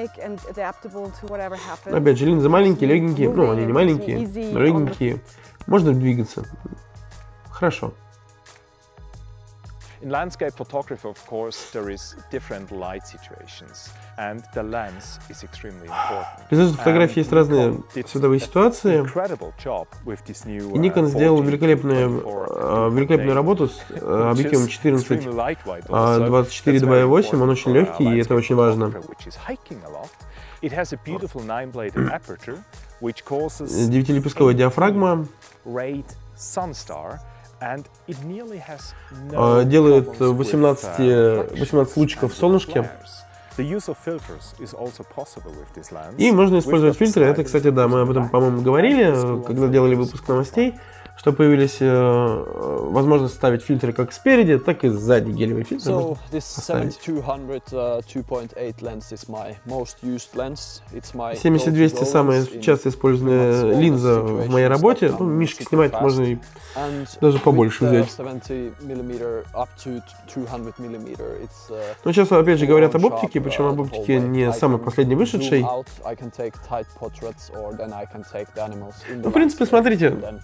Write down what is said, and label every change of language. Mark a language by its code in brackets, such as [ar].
[ru] Опять же, линзы маленькие, легенькие, ну, они не маленькие, но легенькие, можно двигаться. Хорошо. [en] In landscape photography, of course, there is different light situations, and the lens is extremely important. [ru] В фотографии есть разные световые ситуации. [en] Incredible job with this new. [ru] И Nikon сделал великолепную работу с объективом 14-24-2.8. Он очень легкий, и это очень важно. [en] It has a beautiful 9-bladed aperture, which causes [ru] 9-лепестковая диафрагма. [en] Red sun star. And it nearly has no [ru] делает 18 лучиков солнышке. [en] The use of filters is also possible with this lens. [ru] И можно использовать фильтры. Это, кстати, да, мы об этом, по-моему, говорили, когда делали выпуск новостей, что появились возможность ставить фильтры как спереди, так и сзади гелевые фильтры. [en] So this 7200 2.8 lens is my most used lens. It's my [ru] 7200 самая часто используемая линза в моей работе. Ну, мишки снимать можно и даже побольше взять. [en] 70 mm up to 200 mm. It's [ru] Но сейчас опять же говорят об оптике, причем об оптике не самой последней вышедшей. [en] I can take tight portraits or then I can take the animals in the. [ru] Ну, в принципе, смотрите.